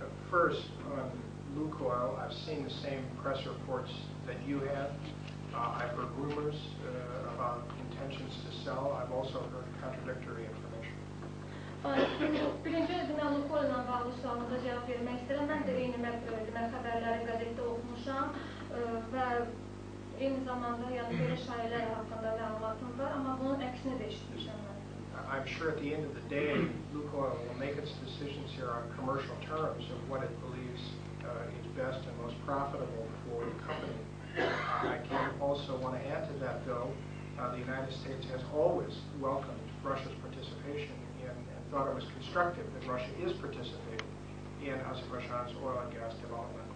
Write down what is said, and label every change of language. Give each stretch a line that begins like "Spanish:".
English: first, Lukoil, I've seen the same press reports that you have. I've heard rumors about intentions to sell. I've also heard contradictory information.
Azerbaijani: Birinci özünə Lukoil ilə bağlı sualında cavab vermək istəyirəm. Mən də eyni mətbəldimə xəbərləri qəzetdə oxumuşam və eyni zamanda yəni belə şairlər haqqında məlumatım var, amma bunun əksini də eşitmişəm.
English: I'm sure at the end of the day, Lukoil will make its decisions here on commercial terms of what it believes is best and most profitable for the company. I can also want to add to that, though, the United States has always welcomed Russia's participation in, and thought it was constructive that Russia is participating in Azerbaijan's oil and gas development.